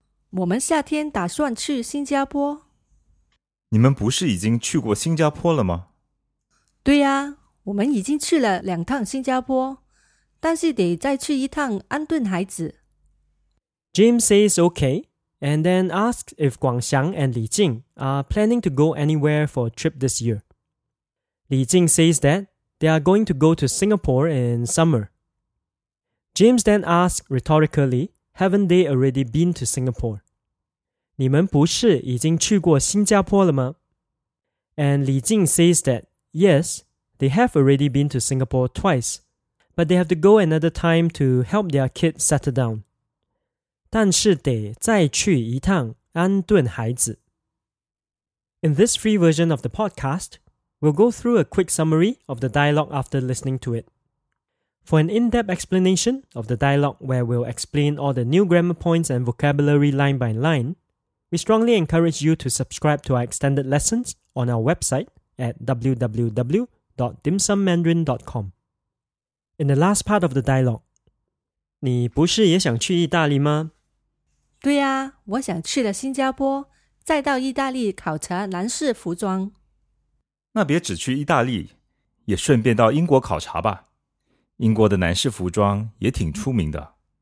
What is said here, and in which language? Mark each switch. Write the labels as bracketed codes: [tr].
[zh] 我们夏天打算去新加坡。你们不是已经去过新加坡了吗？对呀，我们已经去了2趟新加坡，但是得再去一趟安顿孩子。 [en] James says okay, and then asks if 广祥 and 李静 are planning to go anywhere for a trip this year. 李静 says that they are going to go to Singapore in summer. James then asks rhetorically, haven't they already been to Singapore? [zh] 你们不是已经去过新加坡了吗? [en] And Li Jing says that, yes, they have already been to Singapore twice, but they have to go another time to help their kid settle down. [zh] 但是得再去一趟安顿孩子。 [en] In this free version of the podcast, we'll go through a quick summary of the dialogue after listening to it. For an in-depth explanation of the dialogue where we'll explain all the new grammar points and vocabulary line by line,We strongly encourage you to subscribe to our extended lessons on our website at www.dimsummandarin.com. In the last part of the dialogue, [zh] 你不是也想去意大利吗？对呀，我想去了新加坡，再到意大利考察男士服装。那别只去意大利，也顺便到英国考察吧。英国的男士服装也挺出名的。